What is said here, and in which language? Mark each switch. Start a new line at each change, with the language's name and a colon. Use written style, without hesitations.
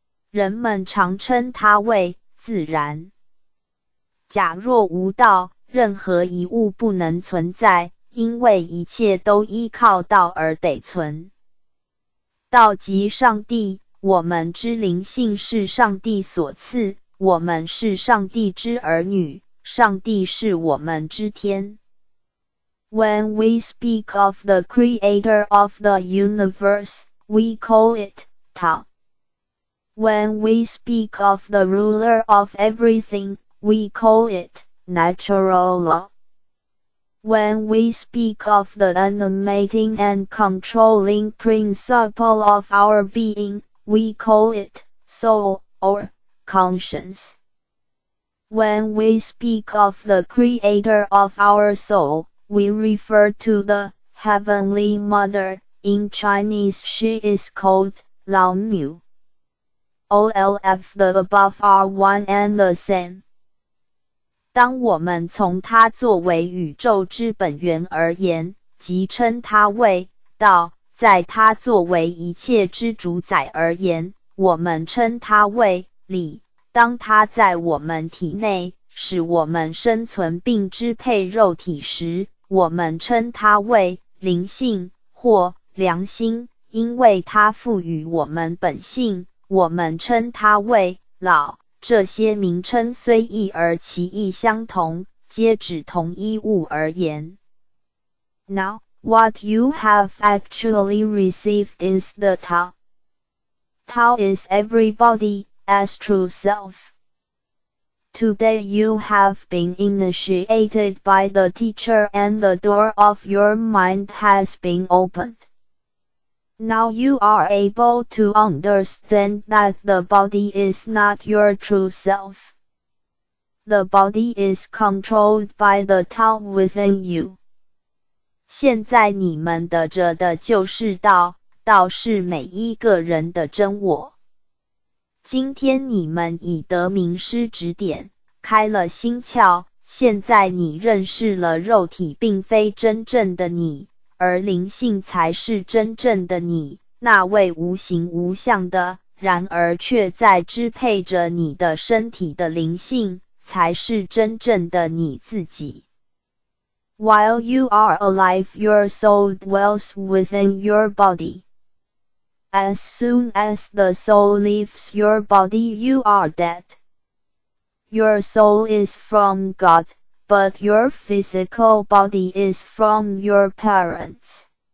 Chinese: 人们常称它为自然。假若无道，任何一物不能存在，因为一切都依靠道而得存。道即上帝，我们之灵性是上帝所赐，我们是上帝之儿女。上帝是我们之天。
English: When we speak of the creator of the universe, we call it Tao. When we speak of the ruler of everything, we call it natural law. When we speak of the animating and controlling principle of our being, we call it soul or conscience. When we speak of the creator of our soul, we refer to the Heavenly Mother. In Chinese, she is called Lao Mu. All of the above are one and the same.
Chinese: 当我们从它作为宇宙之本源而言，即称它为道；在它作为一切之主宰而言，我们称它为理。当它在我们体内，使我们生存并支配肉体时，我们称它为灵性或良心，因为它赋予我们本性，我们称它为老。这些名称虽异而其意相同，皆指同一物而言。
English: Now, what you have actually received is the Tao. Tao is everybody. As true self. Today you have been initiated by the teacher and the door of your mind has been opened. Now you are able to understand that the body is not your true self. The body is controlled by the Tao within you.
Chinese: 现在你们得着的就是道，道是每一个人的真我。今天你们已得名师指点，开了心窍，现在你认识了肉体并非真正的你，而灵性才是真正的你，那位无形无相的，然而却在支配着你的身体的灵性，才是真正的你自己。
English: While you are alive, your soul dwells within your body. As soon as the soul leaves your body, you are dead. Your soul is from God, but your physical body is from your parents.